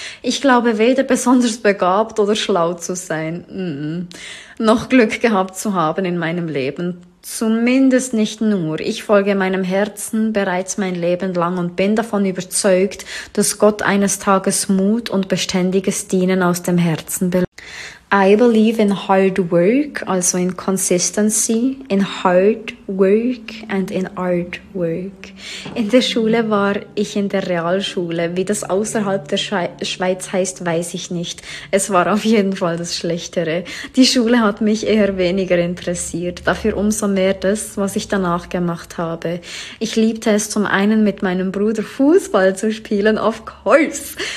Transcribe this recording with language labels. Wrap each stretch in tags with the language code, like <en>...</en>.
<de>Ich glaube weder besonders begabt oder schlau zu sein, noch Glück gehabt zu haben in meinem Leben. Zumindest nicht nur. Ich folge meinem Herzen bereits mein Leben lang und bin davon überzeugt, dass Gott eines Tages Mut und beständiges Dienen aus dem Herzen belohnt.</de> <en>I believe in hard work, also in consistency, in hard work and in artwork.</en> <de>In der Schule war ich in der Realschule. Wie das außerhalb der Schweiz heißt, weiß ich nicht. Es war auf jeden Fall das Schlechtere. Die Schule hat mich eher weniger interessiert. Dafür umso mehr das, was ich danach gemacht habe. Ich liebte es zum einen mit meinem Bruder Fußball zu spielen,</de> <en>of course.</en>